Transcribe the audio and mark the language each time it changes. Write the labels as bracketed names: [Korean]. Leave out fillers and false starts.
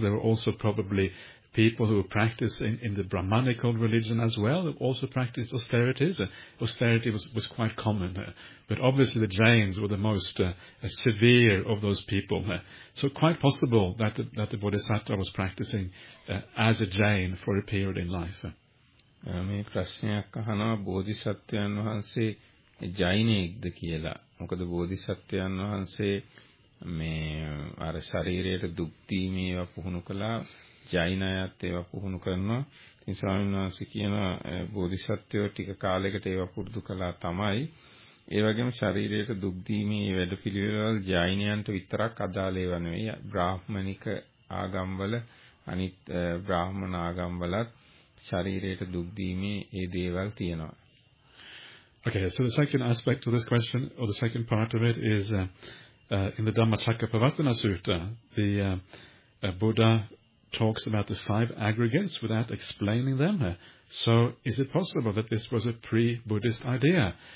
[English] There were also probably people who were practicing in the Brahmanical religion as well, who also practiced austerities. Austerity was quite common. But obviously the Jains were the most severe of those people. So quite possible that that the Bodhisattva was practicing as a Jain for a period in life. [Sinhala] මේ ප්‍රශ්නයක් අහනවා බෝධිසත්වයන් වහන්සේ ජෛනෙක්ද කියලා. මොකද බෝධිසත්වයන් වහන්සේ මේ අර ශරීරයට දුක් දීමේ වා පුහුණු කළා ජෛන අයත් ඒවා පුහුණු කරනවා. ඉතින් ස්වාමීන් වහන්සේ කියනවා බෝධිසත්වයෝ ටික කාලයකට ඒවා පුරුදු කළා තමයි. ඒ වගේම ශරීරයට දුක් දීමේ මේ වැඩ පිළිවෙලවල ජෛනයන්ට විතරක් අදාළ ඒවා නෙවෙයි. බ්‍රාහ්මණික ආගම්වල අනිත් බ්‍රාහ්මණ ආගම්වලත් ශරීරයට දුක් දීමේ ඒ දේවල් තියෙනවා. [English] Okay, so the second aspect of this question, or the second part of it, is in the Dhammacakkappavattana Sutta, the Buddha talks about the five aggregates without explaining them. So is it possible that this was a pre-Buddhist idea?